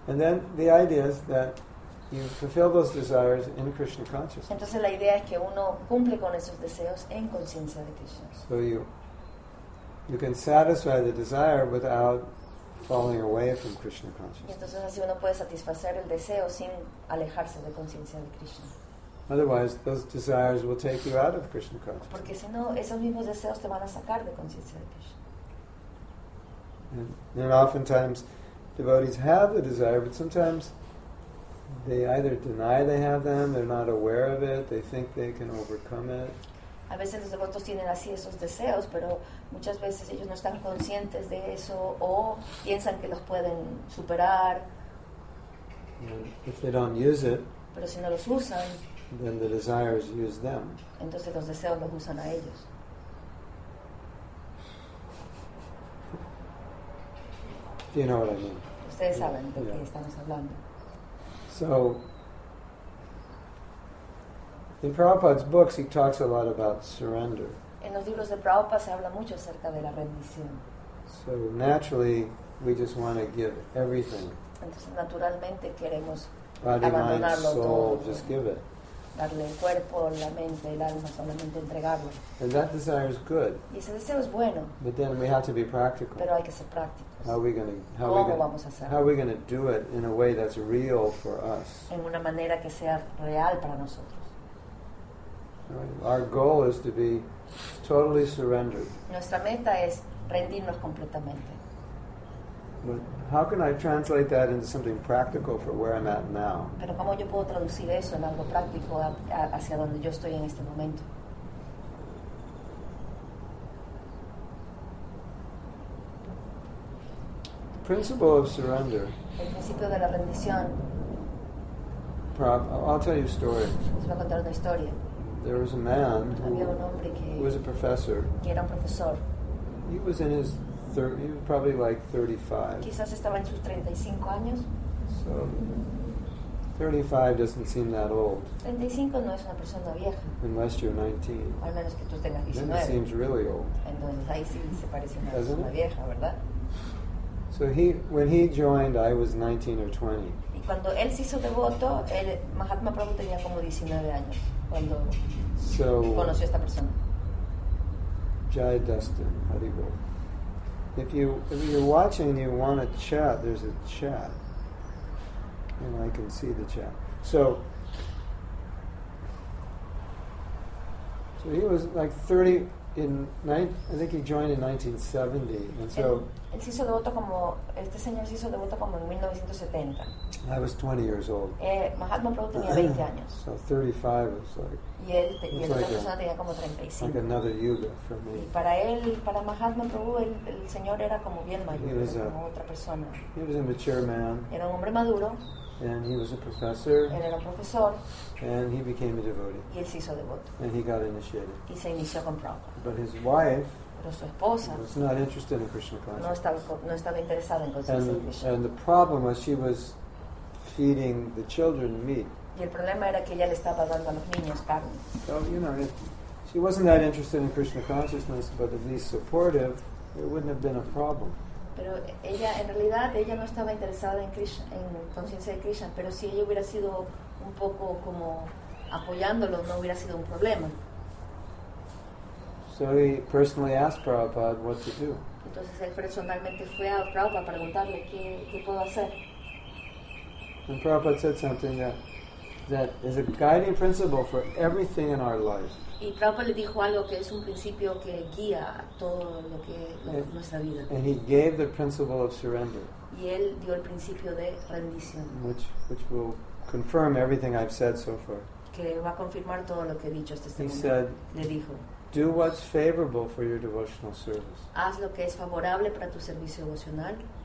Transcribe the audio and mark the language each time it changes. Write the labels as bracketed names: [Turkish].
[English] And then the idea is that you fulfill those desires in Krishna consciousness. [Spanish] Entonces la idea es que uno cumple con esos deseos en conciencia de Krishna. [English] So you can satisfy the desire without falling away from Krishna consciousness. [Spanish] Entonces así uno puede satisfacer el deseo sin alejarse de conciencia de Krishna. [English] Otherwise, those desires will take you out of Krishna consciousness. [Spanish] Porque si no, esos mismos deseos te van a sacar de conciencia de Krishna. [English] And oftentimes, devotees have the desire, but sometimes they either deny they have them, they're not aware of it, they think they can overcome it. [Spanish] A veces los devotos tienen así esos deseos, pero muchas veces ellos no están conscientes de eso o piensan que los pueden superar. [English] And if they don't use it, [Spanish] pero si no los usan, [English] then the desires use them. [Spanish] Entonces los deseos los usan a ellos. [English] Do you know what I mean? [Spanish] Ustedes saben de qué estamos hablando. [English] So, in Prabhupada's books, he talks a lot about surrender. [Spanish] En los libros de Prabhupada se habla mucho acerca de la rendición. [English] So naturally, we just want to give everything. [Spanish] Entonces naturalmente queremos [English] body, [Spanish] abandonarlo [English] mind, soul, [Spanish] todo. [English] Just give it. [Spanish] Darle el cuerpo, la mente, el alma, solamente entregarlo. [English] And that desire is good. [Spanish] Y ese deseo es bueno. [English] But then we have to be practical. [Spanish] Pero hay que ser prácticos. [English] How are we going to do it in a way that's real for us? [Spanish] En una manera que sea real para nosotros. [English] Right. Our goal is to be totally surrendered. [Spanish] Nuestra meta es rendirnos completamente. [English] But how can I translate that into something practical for where I'm at now? [Spanish] Pero cómo yo puedo traducir eso en algo práctico hacia donde yo estoy en este momento. [English] The principle of surrender. [Spanish] El principio de la rendición. [English] I'll tell you a story. [Spanish] Les voy a contar una historia. [English] There was a man who was a professor. [Spanish] Que era un profesor. [English] He was in his 30, he was probably like 35. [Spanish] Quizás estaba en sus 35 años. [English] So, 35 doesn't seem that old. [Spanish] 35 no es una persona vieja. [English] Unless you're 19. [Spanish] Al menos que tú tengas 19. [English] Then it seems really old. [Spanish] Entonces ahí sí se parece una persona vieja, ¿verdad? [English] So when he joined, I was 19 or 20. [Spanish] Y cuando él se hizo devoto, el Mahatma Prabhu tenía como 19 años cuando conoció a esta persona. [English] Jai Dustin, Hari Bol. If you're watching and you want to chat, there's a chat. And I can see the chat. So he was like 30 I think he joined in 1970. And so [Spanish] él se hizo devoto como este señor se hizo devoto como en 1970. [English] I was 20 years old. [Spanish] Mahatma Prabhu tenía 20 años. [English] So 35 was like. [Spanish] Y él y el otro persona tenía como 35. [English] Like another yuga for me. [Spanish] Y para él, para Mahatma Prabhu, el señor era como bien mayor, era como otra persona. [English] He was a mature man. [Spanish] Era un hombre maduro. [English] And he was a professor. [Spanish] Él era un profesor. [English] And he became a devotee. [Spanish] Y él se hizo devoto. [English] And he got initiated. [Spanish] Y se inició con Prabhu. [English] But his wife. [Spanish] Pero su esposa [English] was not interested in Krishna consciousness. [Spanish] No estaba interesada en conciencia de Krishna. [English] And the problem was she was feeding the children meat. [Spanish] Y el problema era que ella le estaba dando a los niños carne. [English] So, you know, if she wasn't that interested in Krishna consciousness, but at least supportive, it wouldn't have been a problem. [Spanish] Pero ella, en realidad, ella no estaba interesada en Krishna, en conciencia de Krishna, pero si ella hubiera sido un poco como apoyándolo, no hubiera sido un problema. [English] So he personally asked Prabhupada what to do. [Spanish] Entonces él personalmente fue a Prabhupada preguntarle qué puedo hacer. [English] And Prabhupada said something that is a guiding principle for everything in our life. [Spanish] Y Prabhupada le dijo algo que es un principio que guía todo lo que nuestra vida. [English] And he gave the principle of surrender. [Spanish] Y él dio el principio de rendición. [English] Which will confirm everything I've said so far. [Spanish] Que va a confirmar todo lo que he dicho hasta este momento. [English] He said, [Spanish] le dijo. [English] Do what's favorable for your devotional service. [Spanish] Haz lo que es favorable para tu servicio devocional.